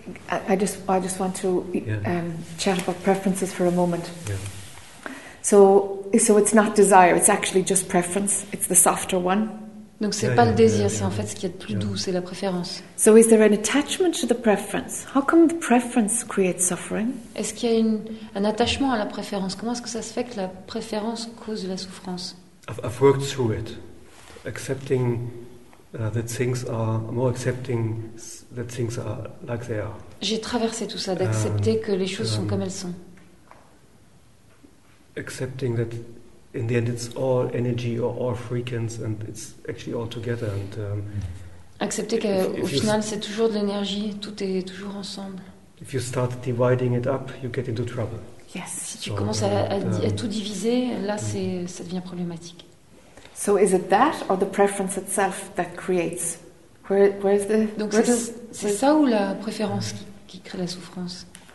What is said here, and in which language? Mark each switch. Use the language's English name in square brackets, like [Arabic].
[English] I just want to chat about preferences for a moment. Yeah. So it's not desire, it's actually just preference. It's the softer one. [French] Donc c'est pas le désir, c'est en fait ce qu'il y a de plus doux, c'est la préférence. [English] So is there an attachment to the preference? How come the preference creates suffering? [French] Est-ce qu'il y a un attachement à la préférence? Comment est-ce que ça se fait que la préférence cause la souffrance? [English] I've worked through it, accepting that things are more accepting that things are like they are. [French] J'ai traversé tout ça, d'accepter que les choses sont comme elles sont. [English] Accepting that in the end it's all energy or all frequency and it's actually all together. [French] Accepter qu'au final c'est toujours de l'énergie, tout est toujours ensemble. [English] If you start dividing it up, you get into trouble. Yes. [French] Si tu commences à tout diviser, là ça devient problématique. [English] So is it that or the preference itself that creates? Where is the? [French] Donc c'est ça ou la préférence qui crée la souffrance?